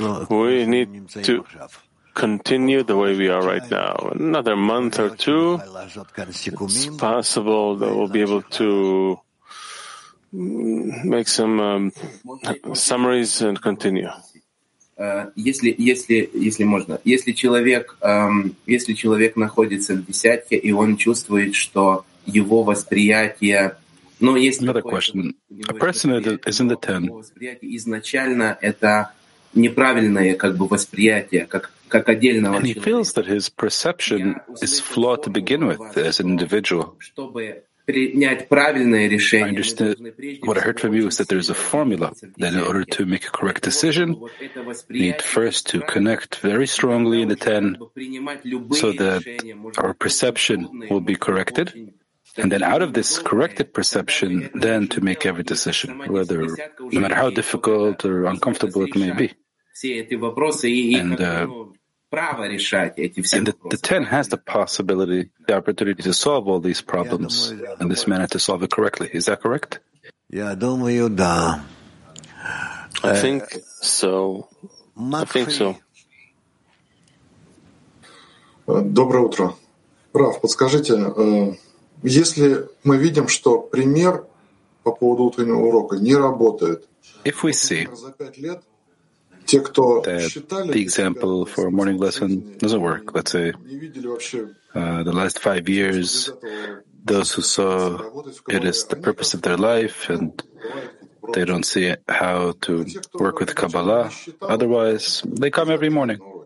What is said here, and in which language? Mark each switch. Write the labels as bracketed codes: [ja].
[en] We need to continue the way we are right now. Another month or two, it's possible that we'll be able to make some summaries and continue. [ru] Если человек находится в десятке и он чувствует, что его восприятие. [en] Another question. A person is in the ten. [ru] Изначально это неправильное как бы восприятие, как отдельного человека. [en] And he feels that his perception is flawed to begin with as an individual. [ru] Чтобы принять правильное решение. [en] I understand what I heard from you is that there is a formula that in order to make a correct decision, you need first to connect very strongly in the ten so that our perception will be corrected. And then out of this corrected perception, then to make every decision, whether no matter how difficult or uncomfortable it may be. And the 10 has the possibility, the opportunity to solve all these problems in this manner, to solve it correctly. Is that correct? I think so. [ru] Доброе утро. Раф, подскажите, если мы видим, что пример по поводу утреннего урока не работает, [en] if we see that the example for a morning lesson doesn't work, let's say the last 5 years, those who saw it as the purpose of their life and they don't see how to work with Kabbalah, otherwise they come every morning.